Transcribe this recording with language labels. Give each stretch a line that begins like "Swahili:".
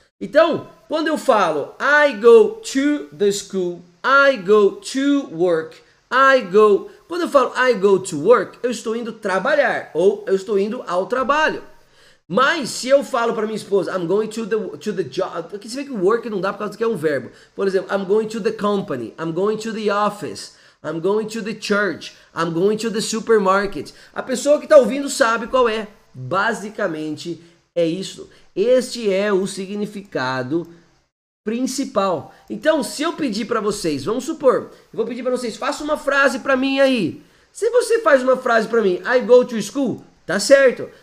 Portuguese: Então, quando eu falo
English: I go to the school, I go to work, I go.
Portuguese: Quando eu falo
English: I go to work,
Portuguese: eu estou indo trabalhar ou eu estou indo ao trabalho. Mas se eu falo para minha esposa,
English: I'm going to the job.
Portuguese: Aqui você vê que work não dá por causa que é um verbo.
English: Por exemplo, I'm going to the company, I'm going to the office, I'm going to the church, I'm going to the supermarket.
Portuguese: A pessoa que está ouvindo sabe qual é. Basicamente é isso. Este é o significado principal. Então, se eu pedir para vocês, vamos supor, eu vou pedir para vocês, faça uma frase para mim aí. Se você faz uma frase para mim,
English: I go to school,
Portuguese: tá certo.